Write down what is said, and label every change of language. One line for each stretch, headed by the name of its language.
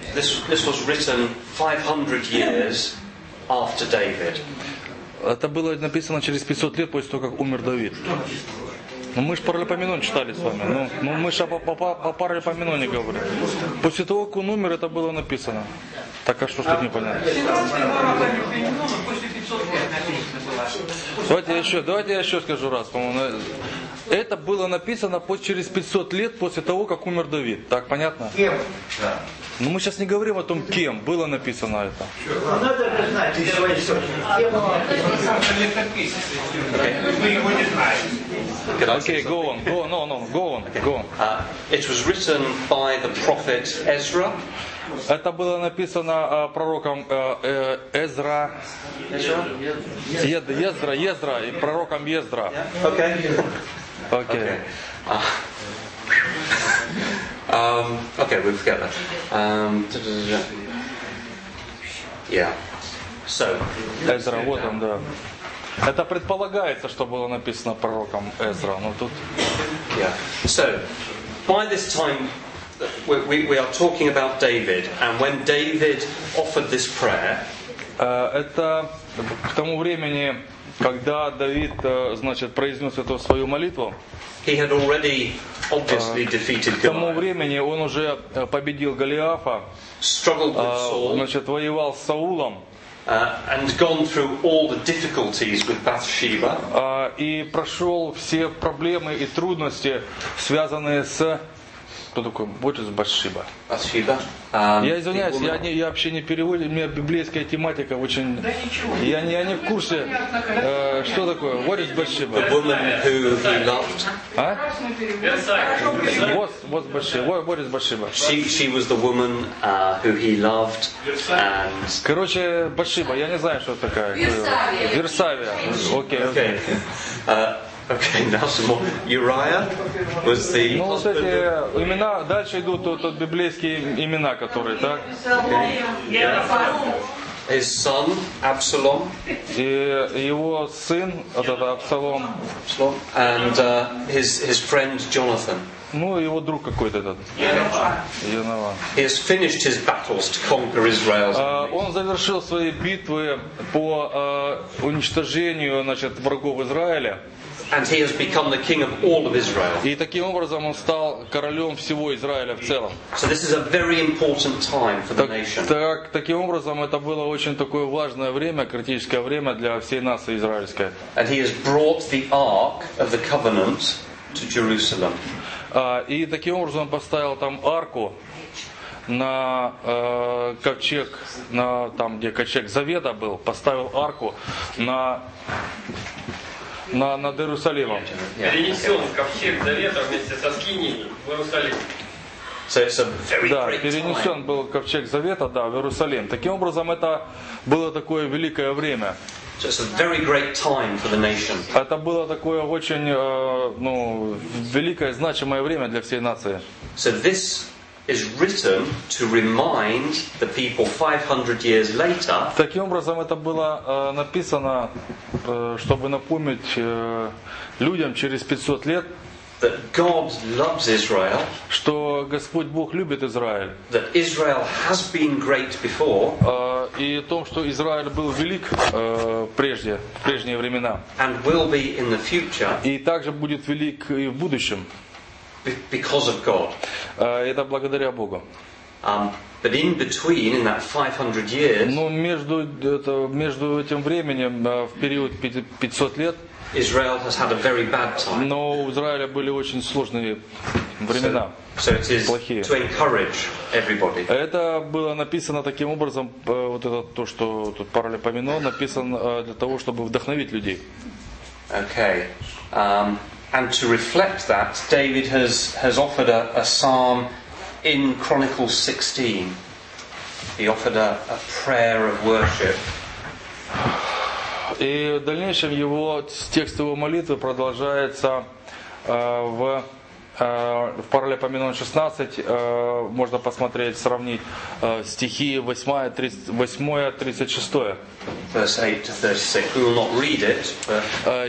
English: this was written 500 years after David.
Russian: Это было написано через 500 лет после того, как умер Давид. Ну мы же Паралипоменон читали с вами. Ну мы же о Паралипоменоне говорим. После того, как он умер, это было написано. Так а что тут непонятно? Давайте я еще скажу раз, по-моему. Это было написано через 500 лет после того, как умер Давид. Так, понятно? Кем? Да. Но мы сейчас не говорим о том, кем было написано это. Надо это знать. Кем было написано? Вы его не знаете.
English: Окей, go on. It was written by the prophet Ezra.
Russian: Это было написано пророком Эзра. Ездра. И пророком Ездра. Окей.
English: Okay. Okay, we forget that. So
Russian: Ezra, вот он, да. Это предполагается, что было написано пророком Ezra, но тут.
English: Yeah. So by this time we are talking about David, and when David offered this prayer.
Russian: Это к тому времени. Когда Давид, значит, произнес эту свою молитву,
English: he had already obviously defeated Goliath.
Russian: К тому времени он уже победил Голиафа.
English: Struggled with Saul.
Russian: Значит, воевал с Саулом.
English: And gone through all the difficulties with Bathsheba.
Russian: И прошел все проблемы и трудности, связанные с кто такой? Вот из Батшиба. Я извиняюсь, я вообще не переводил, у меня библейская тематика очень... Да ничего. Я не в курсе, что такое. Вот из Батшиба.
English: The woman who he loved.
Russian: А? Вот из Батшиба. Вот из Батшиба.
English: She was the woman who he loved.
Russian: Короче, Батшиба, я не знаю, что такая. Версавия. Окей.
English: Okay, now some more. Uriah was the.
Russian: Ну, кстати, имена дальше идут тут библейские имена, которые, так.
English: Okay. Yeah. His son Absalom.
Russian: И его сын, это Абсалом.
English: Absalom. And his friend Jonathan.
Russian: Ну, его друг какой-то этот. Йонатан.
English: He has finished his battles to conquer Israel's enemies.
Russian: Он завершил свои битвы по уничтожению, значит, врагов Израиля.
English: And he has become the king of all of Israel.
Russian: И таким образом он стал королем всего Израиля в целом.
English: So this is a very important time for the nation.
Russian: Так, таким образом это было очень такое важное время, критическое время для всей нации израильской.
English: And he has brought the Ark of the Covenant to Jerusalem.
Russian: И таким образом он поставил там арку на ковчег, на там, где ковчег Завета был, поставил арку над Иерусалимом. Перенесен ковчег Завета вместе со скинией в Иерусалим. Да, перенесен был ковчег Завета, да, в Иерусалим. Таким образом, это было такое великое время.
English: So it's a very great time for the nation.
Russian: Это было такое очень, ну, великое, значимое время для всей нации.
English: So this is written to remind the people 500 years later.
Russian: Таким образом, это было написано, чтобы напомнить людям через 500 лет.
English: That God loves Israel.
Russian: Что Господь Бог любит Израиль.
English: That Israel has been great before.
Russian: И о том, что Израиль был велик прежде, в прежние времена.
English: And will be in the future.
Russian: И также будет велик и в будущем.
English: Because of God.
Russian: Это благодаря Богу.
English: But in between, in that 500 years.
Russian: Но между этим временем, в период 500 лет.
English: Israel has had a very bad time.
Russian: Но у Израиля были очень сложные времена.
English: So it is to encourage everybody.
Russian: Это было написано таким образом, вот это то, что тут Паралипоменон написан для того, чтобы вдохновить людей.
English: Okay. And to reflect that, David has offered a psalm in Chronicles 16. He offered a prayer of worship.
Russian: И в дальнейшем его текст его молитвы продолжается в Паралипоменон 16, можно посмотреть, сравнить стихи 8-36.